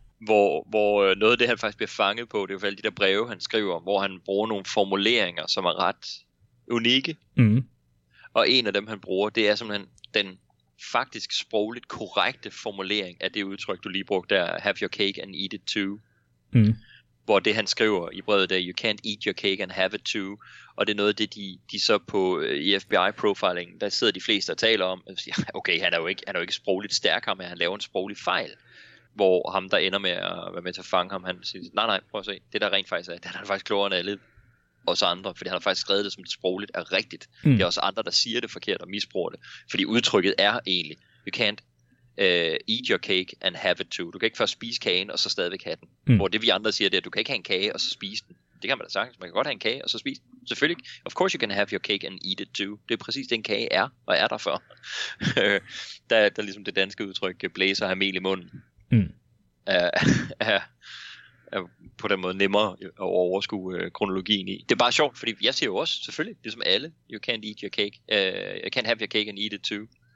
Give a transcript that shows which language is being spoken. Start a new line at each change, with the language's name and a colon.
Danish: Hvor noget af det, han faktisk bliver fanget på, det er jo alle de der breve, han skriver, hvor han bruger nogle formuleringer, som er ret unikke. Mm. Og en af dem, han bruger, det er simpelthen den faktisk sprogligt korrekte formulering af det udtryk, du lige brugte der,
English: have your cake and eat it too. Mm.
Danish: Hvor det, han skriver i brevet, det er,
English: you can't eat your cake and have it too.
Danish: Og det er noget af det, de så på i FBI-profiling, der sidder de fleste og taler om. Og siger, okay, han er jo ikke sprogligt stærk ham, han laver en sproglig fejl. Hvor ham, der ender med at være med til at fange ham, han siger, nej, prøv at se, det der rent faktisk er, det er han faktisk klogere end alle os andre. Fordi han har faktisk skrevet det, som det sprogligt er rigtigt. Mm. Det er også andre, der siger det forkert og misbruger det. Fordi udtrykket er egentlig,
English: you can't eat your cake and have it too.
Danish: Du kan ikke først spise kagen og så stadigvæk have den. Mm. Hvor det vi andre siger, det er, at du kan ikke have en kage og så spise den. Det kan man da sagtens. Man kan godt have en kage og så spise den. Selvfølgelig.
English: Of course you can have your cake and eat it too.
Danish: Det er præcis det, en kage er og er der for. der er ligesom det danske udtryk, blæser og have mel i munden. Mm. Er på den måde nemmere at overskue kronologien i. Det er bare sjovt, fordi jeg siger jo også, selvfølgelig, ligesom alle,
English: you can't eat your cake. You can't have your cake and eat it too.